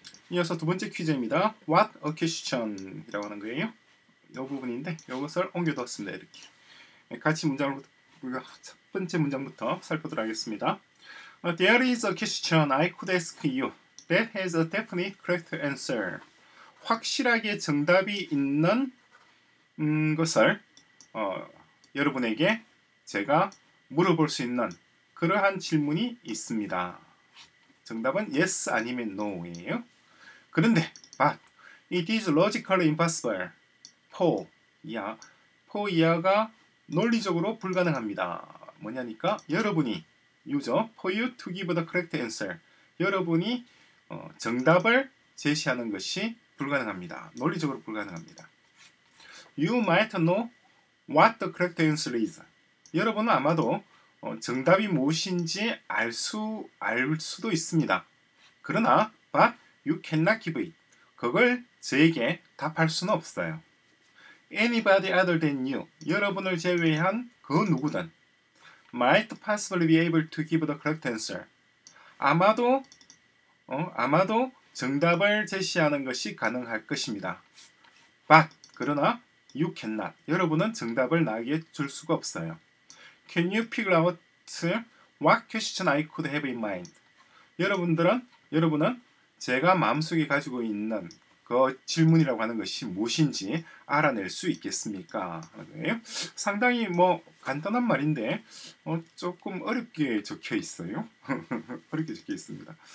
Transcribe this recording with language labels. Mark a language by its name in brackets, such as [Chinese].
[Korean] 이어서 두 번째 퀴즈입니다. What occasion이라고 하는 거예요. 이 부분인데 이것을 옮겨뒀습니다. 이렇게 같이 문장으로 첫 번째 문장부터 살펴보도록 하겠습니다. [English] There is a question I could ask you that has a definite correct answer. [Korean] 확실하게 정답이 있는 것을 여러분에게 제가 물어볼 수 있는 그러한 질문이 있습니다. 정답은 yes 아니면 no예요. 그런데 [English] but it is logically impossible for [Korean] 이하가 논리적으로 불가능합니다. 뭐냐니까 여러분이 유저 [English] for you to give the correct answer [Korean] 여러분이 정답을 제시하는 것이 불가능합니다. 논리적으로 불가능합니다. [English] You might know what the correct answer is. [Korean] 여러분은 아마도 정답이 무엇인지 알 수도 있습니다. 그러나 [English] but you cannot give it. [Korean] 그걸 저에게 답할 수는 없어요. [English] Anybody other than you, [Korean] 여러분을 제외한 그 누구든 [English] might possibly be able to give the correct answer. [Korean] 아마도 정답을 제시하는 것이 가능할 것입니다. [English] But [Korean] 그러나 [English] you cannot. [Korean] 여러분은 정답을 나에게 줄 수가 없어요. [English] Can you figure out what question I could have in mind? [Korean] 여러분은 제가 마음속에 가지고 있는 그 질문이라고 하는 것이 무엇인지 알아낼 수 있겠습니까? 상당히 뭐 간단한 말인데 조금 어렵게 적혀 있어요. 어렵게 적혀 있습니다.